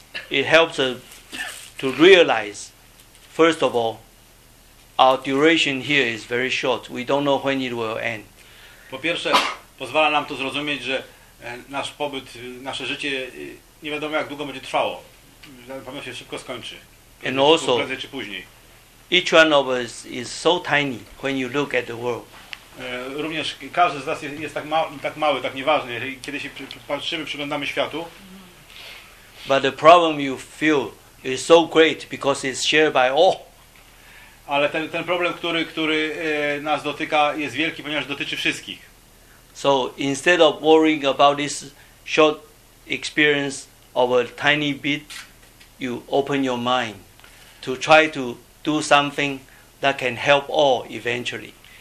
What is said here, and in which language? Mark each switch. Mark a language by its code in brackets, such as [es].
[en] It helps us to realize, first of all, our duration here is very short. We don't know when it will end. [pl] Po pierwsze, pozwala nam to zrozumieć, że nasz pobyt, nasze życie, nie wiadomo jak długo będzie trwało. Pewnie się szybko skończy. [en] And also, [pl] prędzej czy później. [en] Each one of us is so tiny when you look at the world. [pl] Również każdy z nas jest tak mały, tak nieważny, kiedy się patrzymy, przyglądamy światu. [en] But the problem you feel is so great because it's shared by all. [pl] Ale ten problem, który nas dotyka, jest wielki, ponieważ dotyczy wszystkich. [en] So instead of worrying about this short experience of a tiny bit, you open your mind to try to do something that can help all eventually.